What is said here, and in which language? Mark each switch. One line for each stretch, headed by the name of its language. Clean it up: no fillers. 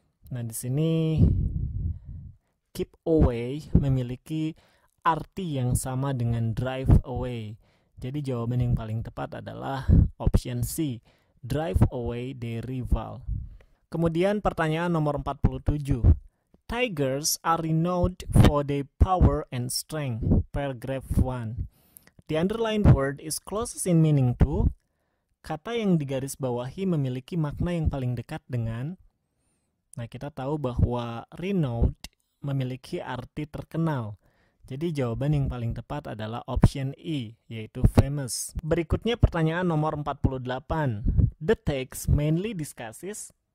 Indonesian: Nah, di sini keep away memiliki arti yang sama dengan drive away. Jadi jawaban yang paling tepat adalah option C,
English: drive away the rival.
Indonesian: Kemudian pertanyaan nomor 47.
English: Tigers are renowned for their power and strength. Paragraph 1. The underlined word is closest in meaning to.
Indonesian: Kata yang digaris bawahi memiliki makna yang paling dekat dengan. Nah, kita tahu bahwa renowned memiliki arti terkenal. Jadi jawaban yang paling tepat adalah option E, yaitu famous. Berikutnya pertanyaan nomor 48.
English: The text mainly discusses.